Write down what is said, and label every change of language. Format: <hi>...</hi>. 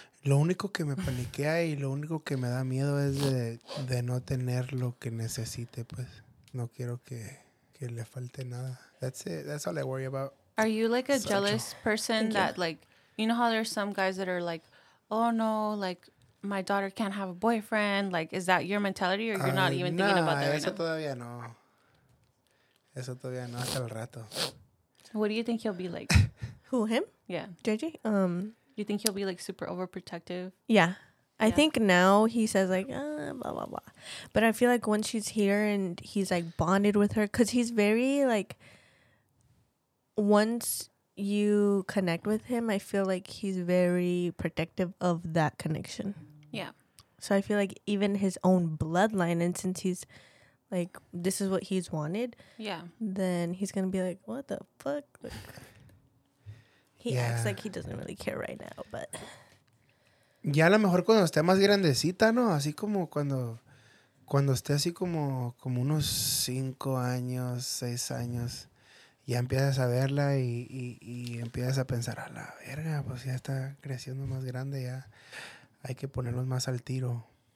<es>Lo único que me paniquea y lo único que me da miedo es de no tener lo que necesite. Pues no quiero que le falte nada.</es> <en>That's it. That's all I worry about. Are you like a so jealous person that you. Like, you know how there's some guys that are like, oh no, like, my daughter can't have a boyfriend. Like, is that your mentality or you're not even thinking about that?</en> <es>Eso</es> <en>right</en> <es>todavía</es> <en>now?</en> <es>No. Eso todavía no. Hasta el rato.</es> <en>What do you think he'll be like? Who, him? Yeah. JJ? You think he'll be like super overprotective? Yeah. I think now he says like, blah, blah, blah. But I feel like once she's here and he's like bonded with her, because he's very like, once you connect with him, I feel like he's very protective of that connection. Yeah. So I feel like even his own bloodline, and since he's like, this is what he's wanted. Yeah. Then he's going to be like, what the fuck? Like, he acts like he doesn't really care right now, but.</en> <es>Ya a lo mejor cuando esté más grandecita, ¿no? Así como cuando esté así como unos 5 años, 6 años. Ya empiezas a verla y empiezas a pensar, a la verga, pues ya está creciendo más grande, ya hay que ponernos más al tiro.</es>